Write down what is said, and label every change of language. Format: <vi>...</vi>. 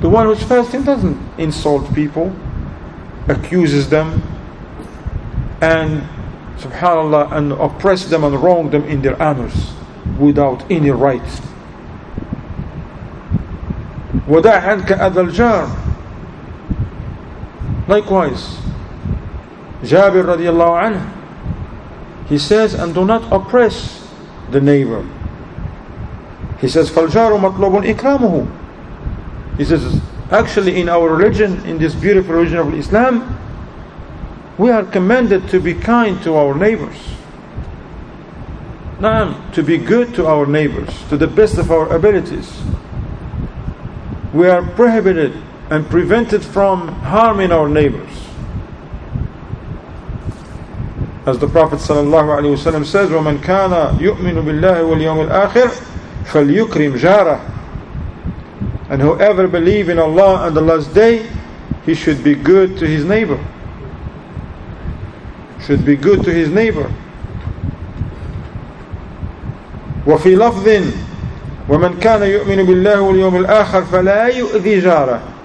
<en>The one who's fasting doesn't insult people, accuses them, and subhanAllah, and oppress them and wrong them in their honors without any right.</en> <ar>وَدَعْ عَنْكَ أَذَى الْجَارِ.</ar> <en>Likewise, Jabir radiallahu anhu, he says, and do not oppress the neighbor. He says,</en> <ar>فَالْجَارُ مَطْلُوبٌ إِكْرَامُهُ.</ar> <en>He says, actually in our religion, in this beautiful religion of Islam, we are commanded to be kind to our neighbors. نعم, to be good to our neighbors, to the best of our abilities. We are prohibited and prevented from harming our neighbors. As the Prophet sallallahu alaihi wasallam says,</en> <ar>وَمَنْ كَانَ يُؤْمِنُ بِاللَّهِ وَالْيَوْمِ الْآخِرِ فَلْيُكْرِمْ جَارَهِ.</ar> <en>And whoever believe in Allah and the last day, he should be good to his neighbor. Should be good to his neighbor.</en> <ar>وَفِي لَفْظٍ وَمَنْ كَانَ يُؤْمِنُ بِاللَّهِ وَالْيَوْمِ الْآخِرِ فَلَا يُؤْذِي جَارَهِ.</ar>